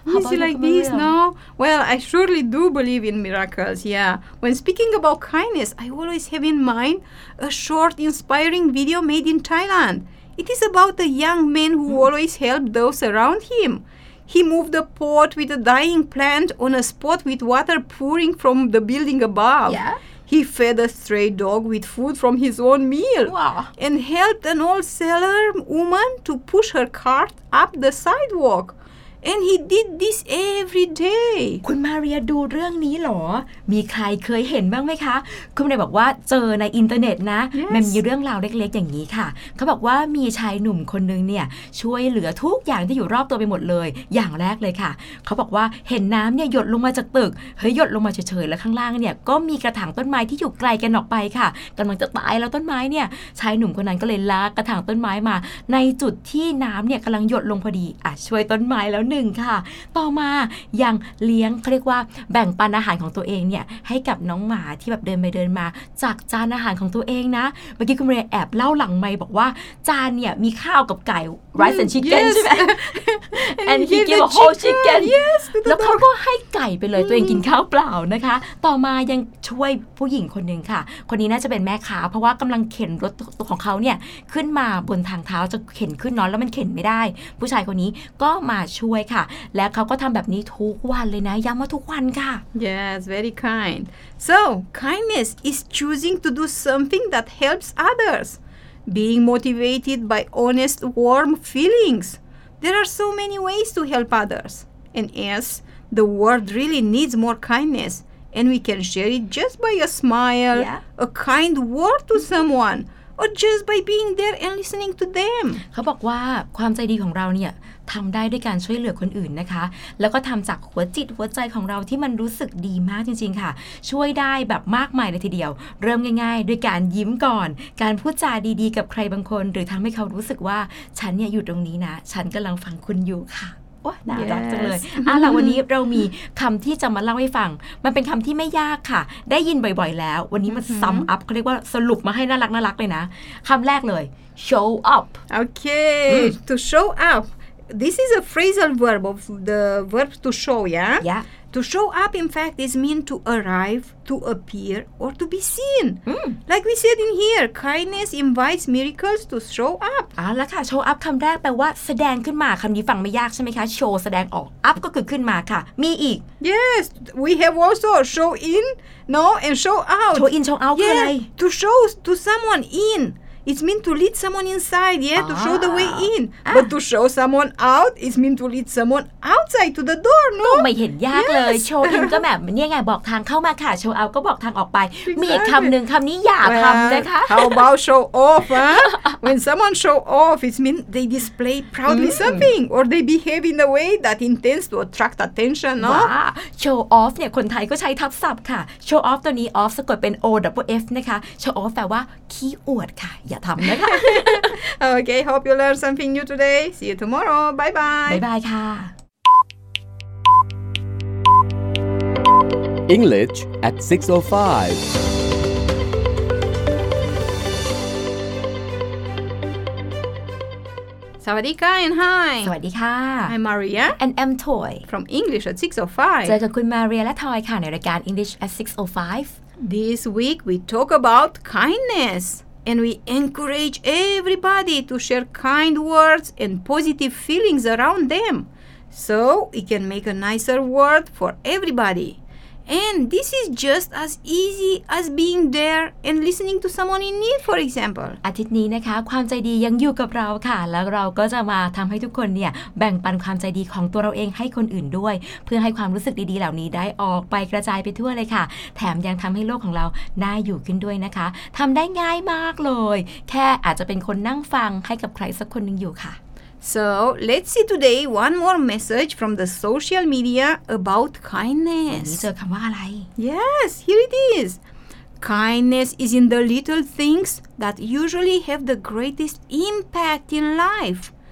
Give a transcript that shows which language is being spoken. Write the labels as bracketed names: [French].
[English] Is it like this? No. Well, I surely do believe in miracles. Yeah. When speaking about kindness, I always have in mind a short, inspiring video made in Thailand. It is about a young man who always helped those around him. He moved a pot with a dying plant on a spot with water pouring from the building above. Yeah. He fed a stray dog with food from his own meal. Wow. And helped an old cellar woman to push her cart up the sidewalk. And he did this every day. [Thai] คุณมาเรียดูเรื่องนี้หรอมีใครเคยเห็นบ้างไหมคะคุณมาเรียบอกว่าเจอในอินเทอร์เน็ตนะ [English] yes. [Thai] มันมีเรื่องราวเล็กๆอย่างนี้ค่ะเขาบอกว่ามีชายหนุ่มคนนึงเนี่ยช่วยเหลือทุกอย่างที่อยู่รอบตัวไปหมดเลยอย่างแรกเลยค่ะเขาบอกว่าเห็นน้ำเนี่ยหยดลงมาจากตึกเฮ้ยหยดลงมาเฉยๆแล้วข้างล่างเนี่ยก็มีกระถางต้นไม้ที่อยู่ไกลกันออกไปค่ะกำลังจะตายแล้วต้นไม้เนี่ยชายหนุ่มคนนั้นก็เลยลากกระถางต้นไม้มาในจุดที่น้ำเนี่ยกำลังหยดลงพอดีอ่ะช่วยต้นไม้แล้วหนึ่งค่ะต่อมา ยังเลี้ยงเขาเรียกว่าแบ่งปันอาหารของตัวเองเนี่ยให้กับน้องหมาที่แบบเดินไปเดินมาจากจานอาหารของตัวเองนะเมื่อกี้คุณเรียแอบเล่าหลังไมค์บอกว่าจานเนี่ยมีข้าวกับไก่ [English] rice and chicken yes. [Thai] ใช่ไหม [English] and he gave a whole chicken yes, [Thai] แล้วเขาก็ให้ไก่ไปเลยตัวเองกินข้าวเปล่านะคะต่อมายังช่วยผู้หญิงคนหนึ่งค่ะคนนี้น่าจะเป็นแม่ค้าเพราะว่ากำลังเข็นรถตัวของเขาเนี่ยขึ้นมาบนทางเท้าจะเข็นขึ้นนอนแล้วมันเข็นไม่ได้ผู้ชายคนนี้ก็มาช่วยและเขาก็ทำแบบนี้ทุกวันเลยนะย้ำว่าทุกวันค่ะ [English] Yes, very kind. So, kindness is choosing to do something that helps others. Being motivated by honest, warm feelings. There are so many ways to help others. And yes, the world really needs more kindness. And we can share it just by a smile, yeah. a kind word to someone, or just by being there and listening to them. [Thai] เขาบอกว่าความใจดีของเราเนี่ยทำได้ด้วยการช่วยเหลือคนอื่นนะคะแล้วก็ทำจากหัวจิตหัวใจของเราที่มันรู้สึกดีมากจริงๆค่ะช่วยได้แบบมากมายเลยทีเดียวเริ่มง่ายๆด้วยการยิ้มก่อนการพูดจาดีๆกับใครบางคนหรือทำให้เขารู้สึกว่าฉันเนี่ยอยู่ตรงนี้นะฉันกำลังฟังคุณอยู่ค่ะโอ้น่ารักจังเลย ล่ะวันนี้เรามีคำที่จะมาเล่าให้ฟังมันเป็นคำที่ไม่ยากค่ะได้ยินบ่อยๆแล้ววันนี้มันซัมอัพเขาเรียกว่าสรุปมาให้น่ารักน่ารักเลยนะคำแรกเลย show up โอเค [English] to show upThis is a phrasal verb of the verb to show, yeah? Yeah. To show up, in fact, is mean to arrive, to appear, or to be seen. Mm. Like we said in here, kindness invites miracles to show up. [Thai] อ่ะแล้วค่ะ show up คำแรกแปลว่าแสดงขึ้นมาคำนี้ฟังไม่ยากใช่ไหมคะ show แสดงออก up ก็คือขึ้นมาค่ะมีอีก [English] Yes, we have also show in, no, and show out. Show in, show out [Thai] คืออะไร [English] To show to someone in. It's mean to lead someone inside, yeah, to show the way in. But to show someone out, it's mean to lead someone outside to the door, no? [Thai] ก็ไม่เห็นยากเลยโชว์อินก็แบบนี่ไงบอกทางเข้ามาค่ะโชว์เอาก็บอกทางออกไปมีคำหนึ่งคำนี้อย่าทำนะคะ [English] How about show off, huh? When someone show off, it's mean they display proudly something or they behave in a way that intends to attract attention, no? [Thai] ว้าโชว์ออฟเนี่ยคนไทยก็ใช้ทับศัพท์ค่ะโชว์ออฟตัวนี้ออฟสะกดเป็น O double F นะคะโชว์ออฟแปลว่าขี้อวดค่ะอย่าทำนะคะ [English] Okay, hope you learn something new today. See you tomorrow. Bye bye. Bye bye ค่ะ English at 6:05 [Thai] สวัสดีค่ะ [English] and hi [Thai] สวัสดีค่ ะ [English] I'm Maria and I'm Toy from English at 6:05 เจอกับคุณ Maria และ Toy ค่ะในรายการ English at 6:05 This week we talk about kindnessAnd we encourage everybody to share kind words and positive feelings around them, so it can make a nicer world for everybody. And this is just as easy as being there and listening to someone in need, for example. [Thai] อาทิตย์นี้นะคะความใจดียังอยู่กับเราค่ะแล้วเราก็จะมาทำให้ทุกคนเนี่ยแบ่งปันความใจดีของตัวเราเองให้คนอื่นด้วยเพื่อให้ความรู้สึกดีๆเหล่านี้ได้ออกไปกระจายไปทั่วเลยค่ะแถมยังทำให้โลกของเราน่าอยู่ขึ้นด้วยนะคะทำได้ง่ายมากเลยแค่อาจจะเป็นคนนั่งฟังให้กับใครสักคนนึงอยู่ค่ะ [English] So let's see today one more message from the social media about kindness. [Thai] วันนี้เจอคำว่าอะไร [English] Yes, here it is. Kindness is in the little things that usually have the greatest impact in life.